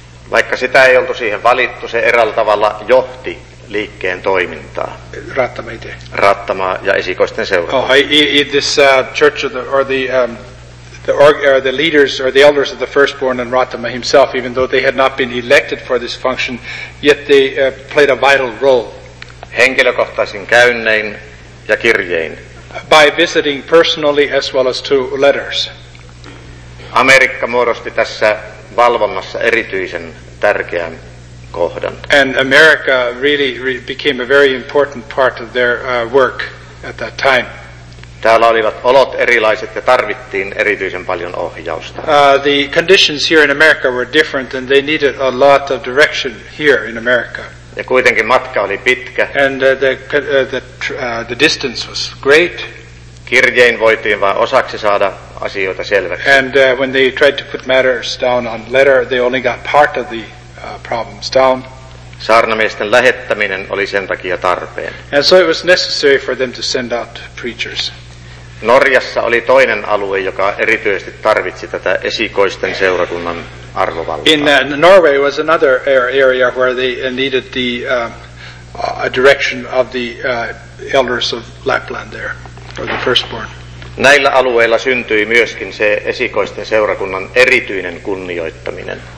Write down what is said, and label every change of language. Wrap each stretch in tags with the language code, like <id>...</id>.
<fi>Vaikka sitä ei oltu siihen valittu, se eräällä tavalla johti liikkeen toimintaa. Rattama ja esikoisten seurakunta.</fi> <en>The leaders or the elders of the firstborn and Rattama himself, even though they had not been elected for this function, yet they played a vital role.</en> <fi>Henkilökohtaisin käynnein ja kirjein.</fi> <en>By visiting personally as well as to letters.</en> <fi>Amerikka muodosti tässä valvonnassa erityisen tärkeän kohdan.</fi> <en>And America really became a very important part of their work at that time.</en> <fi>Täällä olivat olot erilaiset ja tarvittiin erityisen paljon ohjausta.</fi> <en>The conditions here in America were different and they needed a lot of direction here in America.</en> <fi>Ja kuitenkin matka oli pitkä.</fi> <en>And the distance was great.</en> <fi>Kirjein voitiin vain osaksi saada asioita selväksi.</fi> <en>And when they tried to put matters down on letter, they only got part of the problems down.</en> <fi>Saarnamiesten lähettäminen oli sen takia tarpeen.</fi> <en>And so it was necessary for them to send out preachers.</en> <fi>Norjassa oli toinen alue, joka erityisesti tarvitsi tätä esikoisten seurakunnan arvovaltaa.</fi> <en>In Norway was another area where they needed the direction of the elders of Lapland there, or the firstborn.</en> <fi>Näillä alueilla syntyi myöskin se esikoisten seurakunnan erityinen kunnioittaminen.</fi>